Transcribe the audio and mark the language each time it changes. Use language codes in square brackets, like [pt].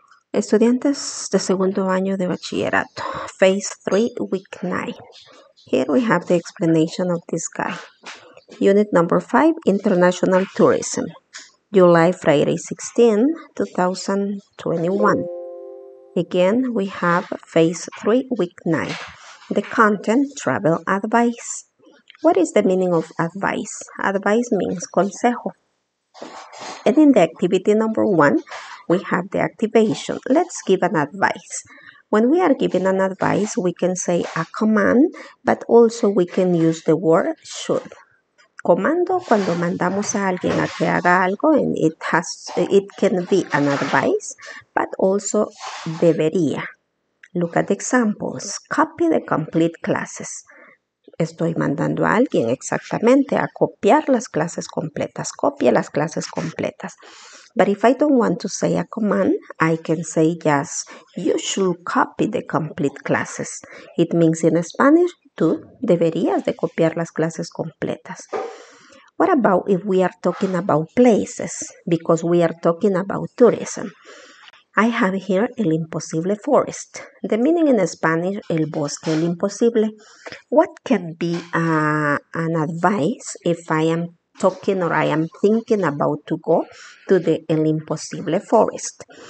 [es] Estudiantes de segundo año de bachillerato, [en] Phase 3, Week 9. Here we have the explanation of this guy. Unit number 5, International Tourism. July, Friday 16, 2021. Again, we have Phase 3, Week 9. The content, travel advice. What is the meaning of advice? Advice means consejo. And in the activity number 1, we have the activation. Let's give an advice. When we are giving an advice, we can say a command, but also we can use the word should. [es] Comando, cuando mandamos a alguien a que haga algo, [en] and it can be an advice, but also [es] debería. [en] Look at examples. Copy the complete classes. [es] Estoy mandando a alguien exactamente a copiar las clases completas. Copie las clases completas. [en] But if I don't want to say a command, I can say just, you should copy the complete classes. It means in Spanish, [es] tú deberías de copiar las clases completas. [en] What about if we are talking about places? Because we are talking about tourism. I have here El Imposible Forest. The meaning in Spanish, El Bosque, El Imposible. What can be an advice if I am talking or I am thinking about to go to the El Imposible Forest?